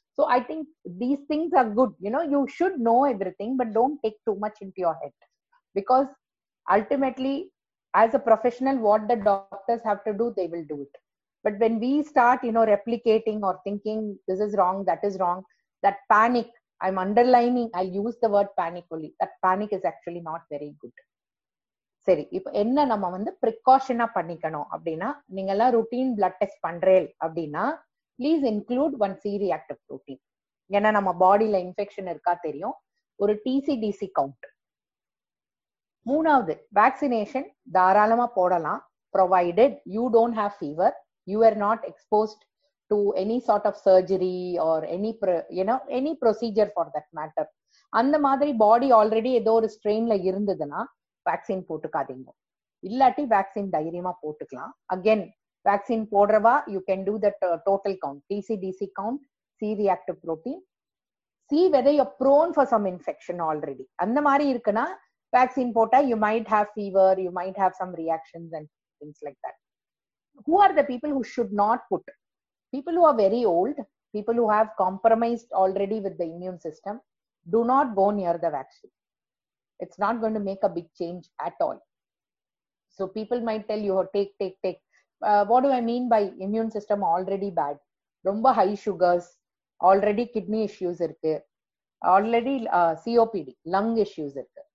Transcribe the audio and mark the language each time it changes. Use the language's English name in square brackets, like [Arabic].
[English] So I think these things are good. You should know everything, but don't take too much into your head, because ultimately, as a professional, what the doctors have to do, they will do it. But when we start, replicating or thinking this is wrong, that is wrong, that panic, I'm underlining, I'll use the word panic only. That panic is actually not very good. [Tamil] சரி இப்ப என்ன நம்ம வந்து ப்ரிகாஷனா பண்ணிக்கணும் அப்படின்னா, நீங்க எல்லாம் routine blood test பண்றேன் அப்படின்னா [English] Please include one C reactive protein. [Tamil] ஏன்னா நம்ம பாடியில இன்ஃபெக்ஷன் இருக்கா தெரியும். ஒரு டிசிடிசி கவுண்ட். மூணாவது, வேக்சினேஷன் தாராளமா போடலாம், [English] Provided you don't have fever, you are not exposed to any sort of surgery or any procedure for that matter. [Tamil] அந்த மாதிரி பாடி ஆல்ரெடி ஏதோ ஒரு ஸ்ட்ரெயின்ல இருந்ததுன்னா வேக்சின் போட்டுக்காதீங்க, இல்லாட்டி வேக்சின் தைரியமா போட்டுக்கலாம். [English] Again vaccine போடுறவா you can do that total count, TC DC count, C reactive protein, see whether you are prone for some infection already. [Tamil] அந்த மாதிரி இருக்குன்னா வேக்சின் போட்டா [English] You might have fever, you might have some reactions and things like that. Who are the people who should not put? People who are very old, people who have compromised already with the immune system, to not go near the vaccine. It's not going to make a big change at all. So people might tell you, take. What do I mean by immune system already bad? Romba high sugars, already kidney issues irukku, already COPD, lung issues irukku.